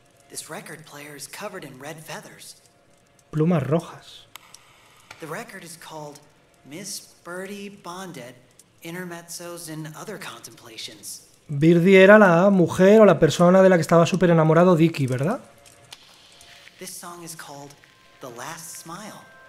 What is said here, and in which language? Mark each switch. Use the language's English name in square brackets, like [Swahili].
[English] This record player is covered in red feathers. [Spanish] Plumas rojas. [English] The record is called Miss Birdie Bondet, Intermezzos and Other Contemplations. [Spanish] Birdie era la mujer o la persona de la que estaba súper enamorado Dicky, ¿verdad? [English] This song is called The Last Smile.